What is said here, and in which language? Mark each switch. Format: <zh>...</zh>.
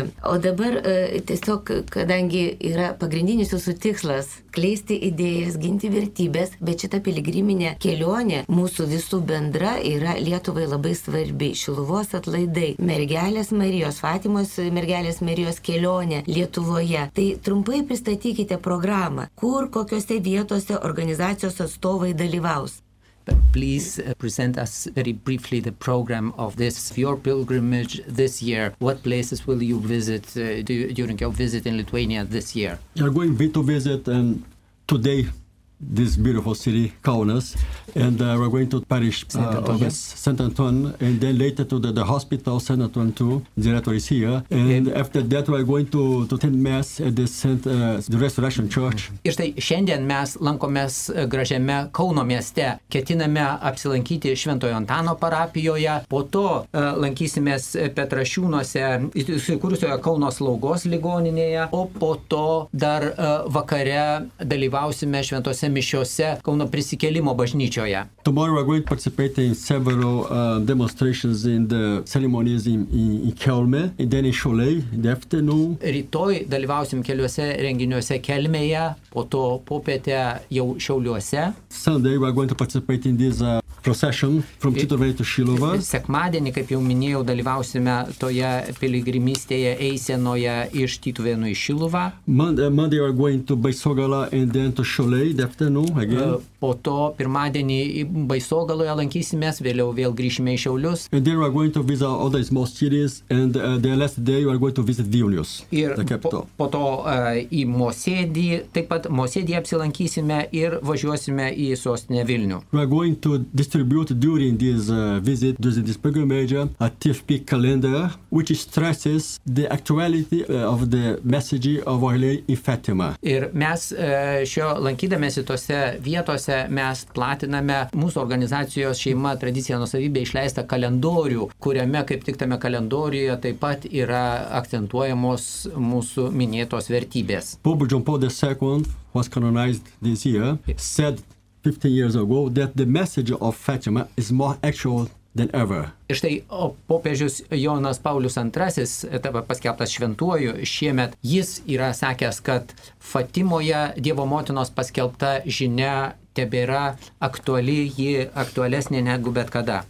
<lt>O dabar tiesiog, kadangi yra pagrindinis jūsų tikslas kleisti idėjas, ginti vertybės, bet šita piligriminė kelionė mūsų visų bendra yra Lietuvai labai svarbi. Šiluvos atlaidai, mergelės Marijos, Fatimos mergelės Marijos kelionė Lietuvoje. Tai trumpai pristatykite programą, kur kokiose vietose organizacijos atstovai dalyvaus.</lt> <en>But please present us very briefly the program of this your pilgrimage this year. What places will you visit during your visit in Lithuania this year? You are going to visit today this beautiful city, Kaunas, and we're going to parish St. Antoine, and then later to the hospital, St. Antoine too, director is here, and after that we're going to attend mass at the the Resurrection Church.</en> <lt>Ir štai šiandien mes lankomės gražiame Kauno mieste, ketiname apsilankyti Šventojo Antano parapijoje, po to lankysimės Petrašiūnuose, įsikūrusioje Kauno slaugos ligoninėje, o po to dar vakare dalyvausime šventose mišiose Kauno prisikėlimo bažnyčioje.</lt> <en>Tomorrow we're going to participate in several demonstrations in the ceremonies in Kelme, and then in Šiauliai in the afternoon.</en> <lt>Rytoj dalyvausim keliuose renginiuose Kelmėje, po to popietę jau Šiauliuose.</lt> <en>Sunday we're going to participate in this procession from Tytuvėnai to Šiluva.</en> <lt>Sekmadienį, kaip jau minėjau, dalyvausime toje piligrimystėje eisenoje iš Tytuvėnų į Šiluvą.</lt> <en>Monday we're going to Baisogala and then to Šiauliai.</en> <lt>Po to pirmadienį į Baisogaloje lankysimės, vėliau vėl grįšime į Šiaulius.</lt> <en>And then we're going to visit all the small cities, and the last day we're going to visit Vilnius, the capital.</en> <lt>Po to į Mosėdį, taip pat Mosėdį apsilankysime ir važiuosime į sostinę Vilnių.</lt> <en>We're going to distribute during this visit, during this pilgrimage, a TFP calendar, which stresses the actuality of the message of Our Lady in Fatima.</en> <lt>Ir mes šio lankydami mes į tose vietose mes platiname mūsų organizacijos šeima tradicija nusavybė išleistą kalendorių, kuriame kaip tik tame kalendorijoje taip pat yra akcentuojamos mūsų minėtos vertybės.</lt> <en>Pope John Paul II was canonized this year, said 15 years ago that the message of Fatima is more actual than ever.</en> <lt>Ir štai popiežius Jonas Paulius II, paskelbtas šventuoju šiemet, jis yra sakęs, kad Fatimoje Dievo motinos paskelbta žinia tebėra aktuali, ji aktualesnė negu bet kada.</lt>